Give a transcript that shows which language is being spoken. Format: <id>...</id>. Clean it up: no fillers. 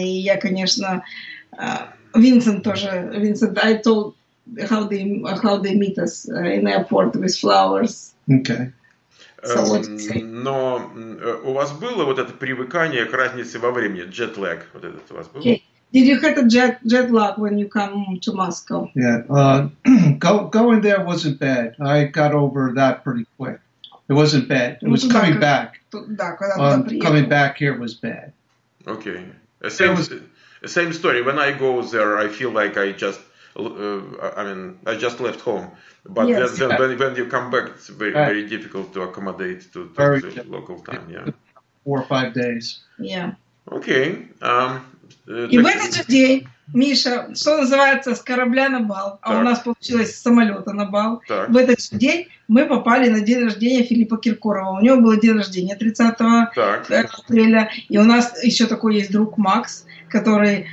<ru>И я, конечно, Винсент тоже, Винсент,</ru> <en>I told how they meet us in the airport with flowers. Okay.</en> <ru>Но у вас было вот это привыкание к разнице во времени, jet lag, вот этот у вас был?</ru> <en>Okay. Did you have a jet lag when you come to Moscow? Yeah, going there wasn't bad. I got over that pretty quick. It wasn't bad. It was coming back.</en> <ru>Да, когда приехал.</ru> <en>Coming back here was bad. Okay. Same story. When I go there, I feel like I just I just left home, but yes. Then when you come back, it's very, very difficult to accommodate to the local time. Yeah, 4 or 5 days. Yeah. Okay.</en> <ru>И так... в этот же день, Миша, что называется, с корабля на бал, так. А у нас получилось с самолета на бал. Так. В этот же день мы попали на день рождения Филиппа Киркорова. У него было день рождения 30 апреля, и у нас еще такой есть друг Макс, который,</ru>